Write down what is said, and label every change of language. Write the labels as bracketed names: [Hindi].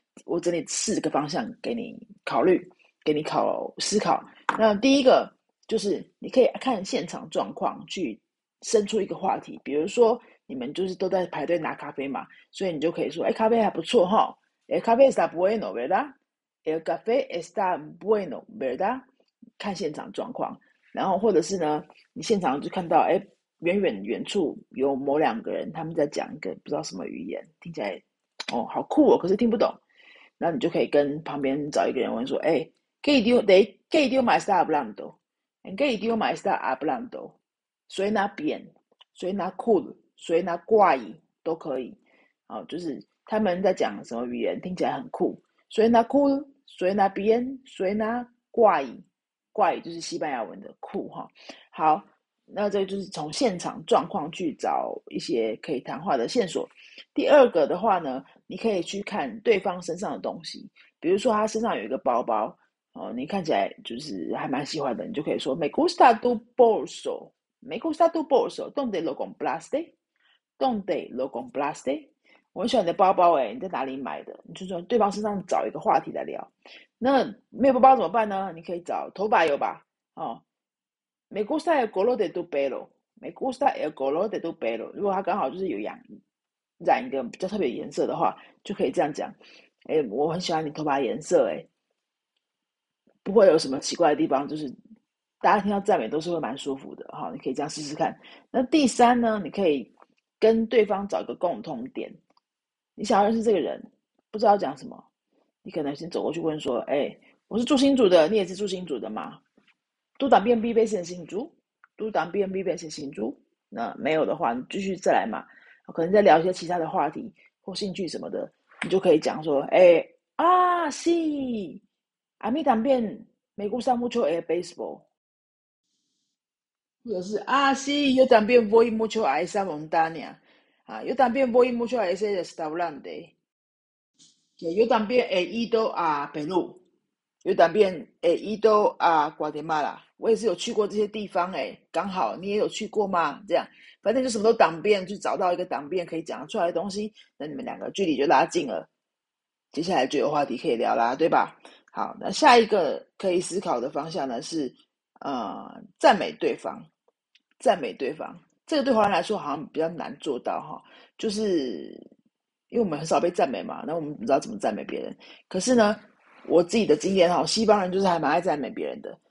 [Chinese] 我整理4个方向给你考虑，给你思考。那第一个，就是你可以看现场状况去生出一个话题，比如说你们就是都在排队拿咖啡嘛，所以你就可以说：“哎，咖啡还不错哈， [Spanish] el café está bueno, ¿verdad? El café está bueno, ¿verdad？” [Chinese] 看现场状况，然后或者是呢，你现场就看到哎，远处有某2个人他们在讲一个不知道什么语言，听起来哦好酷哦，可是听不懂，那你就可以跟旁边找一个人问说：“哎， [Spanish] qué idioma está hablando？” En qué idioma está hablando? Soy na bien, soy na cool, soy na guay [Chinese] 都可以。哦，就是他们在讲什么语言，听起来很酷。 [Spanish] Soy na cool, soy na bien, soy na guay, guay [Chinese] 就是西班牙文的酷哈。好，那这就是从现场状况去找一些可以谈话的线索。第二个的话呢，你可以去看对方身上的东西，比如说他身上有一个包包。哦，你看起来就是还蛮喜欢的，你就可以说 [Spanish] Me gusta tu bolso, Me gusta tu bolso, ¿Dónde lo compraste? ¿Dónde lo compraste? [Chinese] 我很喜欢你的包包诶，你在哪里买的？你就从对方身上找一个话题来聊。那没有包包怎么办呢？你可以找头发有吧？ [Spanish] 哦，Me gusta el color de tu pelo, Me gusta el color de tu pelo。 [Chinese] 如果他刚好就是有染一个比较特别颜色的话，就可以这样讲：诶，我很喜欢你头发颜色诶。不会有什么奇怪的地方，就是大家听到赞美都是会蛮舒服的哈。你可以这样试试看。那第三呢，你可以跟对方找一个共同点。你想要认识这个人，不知道讲什么，你可能先走过去问说：“哎，我是住新竹的，你也是住新竹的吗？” [Spanish] Tú también vives en 新竹？ [Chinese] Tú también vives en 新竹？那没有的话，你继续再来嘛。可能再聊一些其他的话题或兴趣什么的，你就可以讲说：“哎，啊，sí。” [Spanish] A mí también me gusta mucho el béisbol. [Chinese] 或者是啊， [Spanish] sí, yo también voy mucho a esa montaña. 啊，yo también voy mucho a ese restaurante. Que yo también he ido a Perú. Yo también he ido a Guatemala. [Chinese] 我也是有去过这些地方诶，刚好你也有去过吗？这样，反正就什么都当遍，就找到一个当遍可以讲出来的东西，那你们两个距离就拉近了，接下来就有话题可以聊啦，对吧？好，那下一个可以思考的方向呢是，赞美对方，赞美对方，这个对华人来说好像比较难做到哈，就是因为我们很少被赞美嘛，那我们不知道怎么赞美别人。可是呢，我自己的经验哈，西方人就是还蛮爱赞美别人的，